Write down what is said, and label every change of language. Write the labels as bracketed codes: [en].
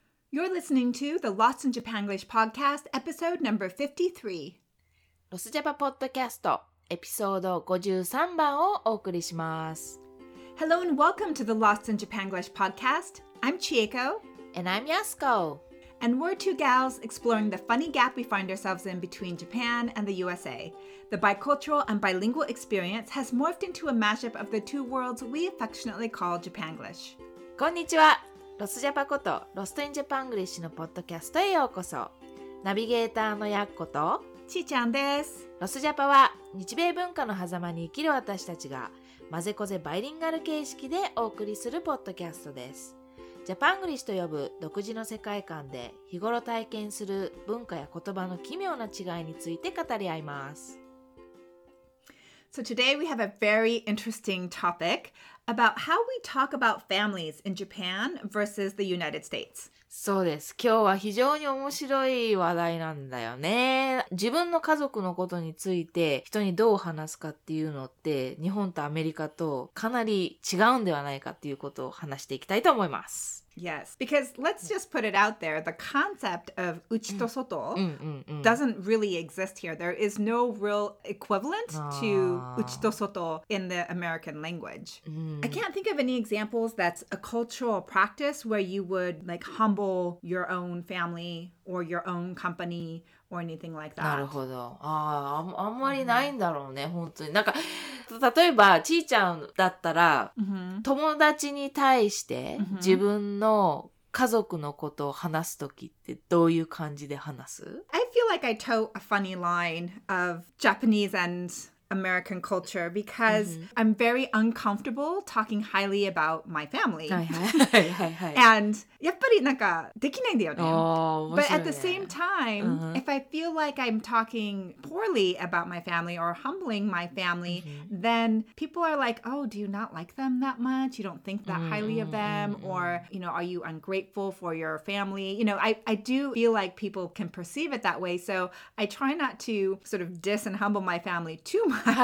[en] You're listening to the Lost in Japanglish podcast, episode number 53. [ja] ロスジャパポッドキャスト、エピソード53番をお送りします。 [en] Hello and welcome to the Lost in Japanglish podcast. I'm Chieko. And I'm Yasuko. And we're two gals exploring the funny gap we find ourselves in between Japan and the USA. The bicultural and bilingual experience has morphed into a mashup of the two worlds we affectionately call Japanglish. [ja] こんにちは。ロスジャパことロストインジャパングリッシュのポッドキャストへようこそ。ナビゲーターのやっことちーちゃんです。ロスジャパは日米文化の狭間に生きる私たちがまぜこぜバイリンガル形式でお送りするポッドキャストです。ジャパングリッシュと呼ぶ独自の世界観で日頃体験する文化や言葉の奇妙な違いについて語り合います。 [en] So today we have a very interesting topicabout how we talk about families in Japan versus the United States. [ja] そうです。今日は非常に面白い話題なんだよね。自分の家族のことについて人にどう話すかっていうのって日本とアメリカとかなり違うんではないかっていうことを話していきたいと思います。 [en] Yes, because let's just put it out there, the concept of uchi to soto doesn't really exist here. There is no real equivalent to uchi to soto in the American language. I can't think of any examples that's a cultural practice where you would like humble your own family or your own company or anything like that. [ja] なるほど。あんまりないんだろうね、本当に。なんか、例えば、ちーちゃんだったら、友達に対して自分の家族のことを話すときってどういう感じで話す？ [en] I feel like I toe a funny line of Japanese and American culture because I'm very uncomfortable talking highly about my family. [ja] And やっぱりなんかできないんだよね。 [en] But at the same time, if I feel like I'm talking poorly about my family or humbling my family, then people are like, oh, do you not like them that much? You don't think that highly of them? Or, you know, are you ungrateful for your family? You know, I do feel like people can perceive it that way. So I try not to sort of diss and humble my family too much.